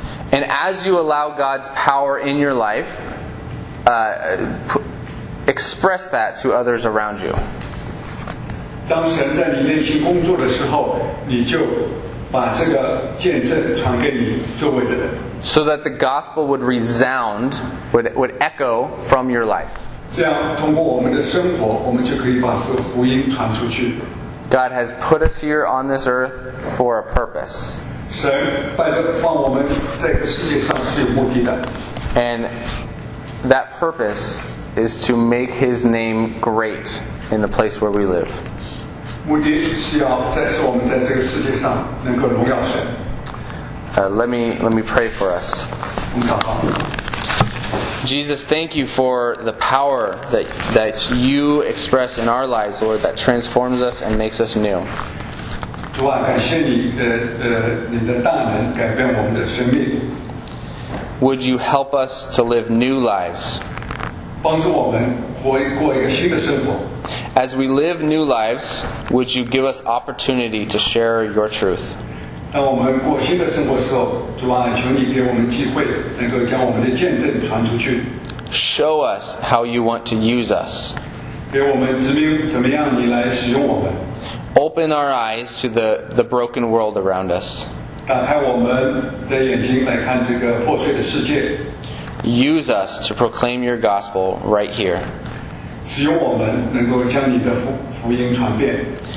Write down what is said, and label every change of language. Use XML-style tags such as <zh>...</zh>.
<en>And as you allow God's power in your life, express that to others around you.</en> <zh>当神在你内心工作的时候，你就把这个见证传给你周围的人。</zh> <en>So that the gospel would resound, would echo from your life.</en> <zh>这样通过我们的生活，我们就可以把福音传出去。</zh> <en>God has put us here on this earth for a purpose.</en> <zh>神摆着放我们在这个世界上是有目的的。</zh> <en>And that purpose is to make His name great in the place where we live.</en> <zh>目的是要再次我们在这个世界上能够荣耀神。</zh> <en>Let me pray for us. Jesus, thank you for the power that you express in our lives, Lord, that transforms us and makes us new.</en> <zh>主啊，感谢你的大能改变我们的生命。</zh> <en>Would you help us to live new lives?</en> <zh>帮助我们过一个新的生活。</zh> <en>As we live new lives, would you give us opportunity to share your truth?</en> <zh>当我们过新的生活的时候，主啊，求你给我们机会，能够将我们的见证传出去。</zh> <en>Show us how you want to use us.</en> <zh>给我们指明怎么样你来使用我们。</zh> <en>Open our eyes to the broken world around us.</en> <zh>打开我们的眼睛来看这个破碎的世界。</zh> <en>Use us to proclaim your gospel right here.</en> <zh>使用我们能够将你的福音传遍。</zh>